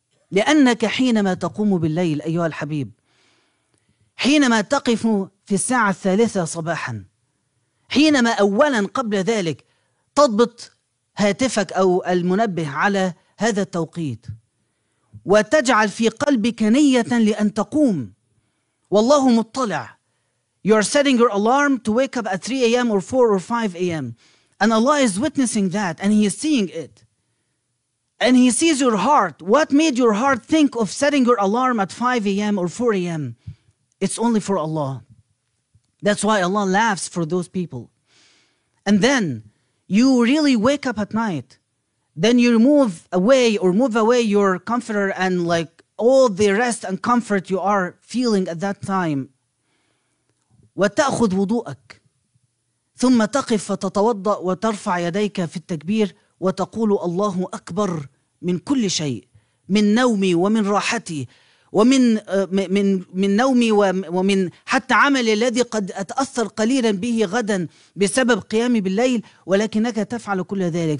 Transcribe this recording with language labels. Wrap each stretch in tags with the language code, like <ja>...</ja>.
<ar>لأنك حينما تقوم بالليل أيها الحبيب, حينما تقف في الساعة الثالثة صباحا, حينما أولا قبل ذلك تضبط هاتفك أو المنبه على هذا التوقيت وتجعل في قلبك نية لأن تقوم, والله مطلع.</ar> <en>You are setting your alarm to wake up at 3 a.m. or 4 or 5 a.m. And Allah is witnessing that and He is seeing it. And He sees your heart. What made your heart think of setting your alarm at 5 a.m. or 4 a.m.? It's only for Allah. That's why Allah laughs for those people. And then you really wake up at night. Then you move away your comforter and like all the rest and comfort you are feeling at that time.</en> <ar>وتأخذ وضوءك ثم تقف وتتوضأ وترفع يديك في التكبير وتقول الله أكبر من كل شيء, من نومي ومن راحتي ومن من نومي ومن حتى عملي الذي قد أتأثر قليلا به غدا بسبب قيامي بالليل, ولكنك تفعل كل ذلك.</ar>